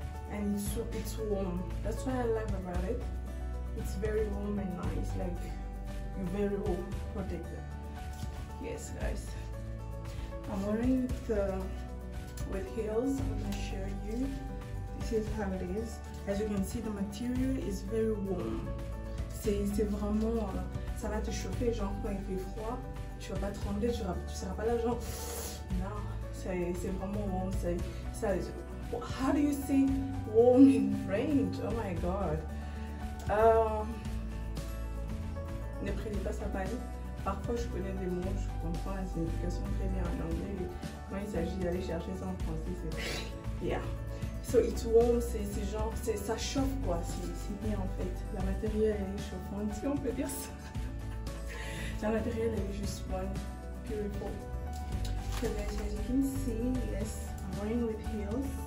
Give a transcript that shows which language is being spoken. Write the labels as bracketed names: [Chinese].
[English] And it's warm. That's what I love about it. It's very warm and nice, like very warm, protected. Yes, guys. I'm wearing the with heels. I'm gonna show you. This is how it is. As you can see, the material is very warm. [French] C'est vraiment, ça va te chauffer, genre quand il fait froid, tu vas pas trembler, tu seras pas là genre. Non, c'est vraiment [English] warm. How do you say warm in French? Oh my god. [French] Ne prenez pas ça mal. Parfois, je connais des mots, je comprends la signification très bien en anglais. Quand il s'agit d'aller chercher ça en français, c'est. [English] Yeah. So it's warm, [French] c'est genre. C'est, ça chauffe quoi. C'est bien en fait. La matérielle, elle est chauffante, si on peut dire ça. La matérielle, elle est juste bonne. Beautiful. [English] So guys, as you can see, yes, I'm wearing with heels.